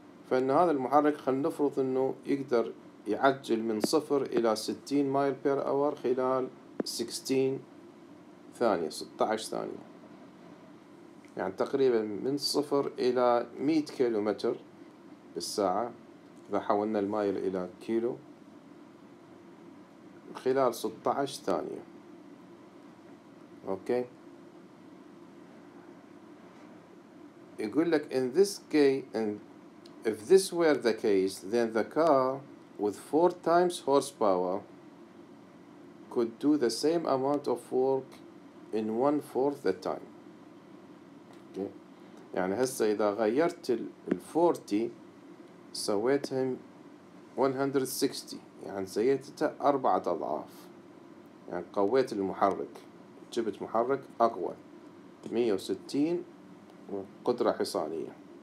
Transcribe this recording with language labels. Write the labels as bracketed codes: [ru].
[ar] فإن هذا المحرك خل نفرض إنه يقدر يعجل من 0 إلى 60 ميل بير أور خلال 16 ثانية، يعني تقريبا من 0 إلى 100 كيلومتر بالساعة إذا حولنا المايل إلى كيلو خلال 16 ثانية. أوكي، يقول لك [en] in this case, and if this were the case, then the car with 4 times horsepower could do the same amount of work in 1/4 the time. Okay. [ar] يعني هسه إذا غيرت ال 40 سويتهم 160، يعني زيتته 4 أضعاف، يعني قويت المحرك، جبت محرك أقوى 160 وقدرة حصانية.